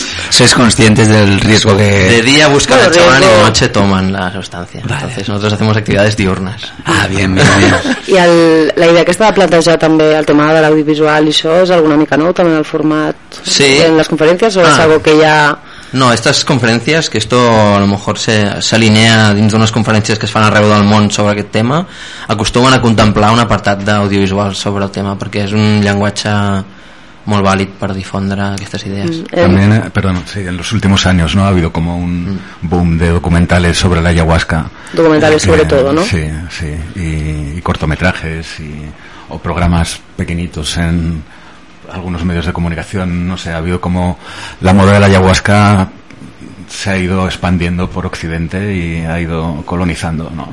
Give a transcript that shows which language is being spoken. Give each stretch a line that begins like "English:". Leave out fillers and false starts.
Spanish: ¿Sois conscientes del riesgo que...? De día buscan al chamán y de noche toman la sustancia. Vale. Entonces nosotros hacemos actividades diurnas. Ah, bien, bien, bien.
Catalan: I el, la idea que estava plantejada també, el tema de l'audiovisual i això, és alguna mica nou també en el format sí. en les conferències o ah. és algo que ja...
Spanish: No, estas conferencias, que esto a lo mejor se alinea
Catalan: dins d'unes conferències que es fan arreu del món sobre aquest tema, acostumen a contemplar un apartat d'audiovisual sobre el tema, perquè és un llenguatge molt vàlid per difondre aquestes idees.
Spanish: També, perdona, sí, en los últimos años, ¿no? Ha habido como un boom de documentales sobre la ayahuasca. Documentales sobre todo, ¿no? Sí, sí, y cortometrajes y, o programas pequeñitos en... algunos medios de comunicación, no sé, ha habido como la moda de la ayahuasca se ha ido expandiendo por Occidente y ha ido colonizando, ¿no?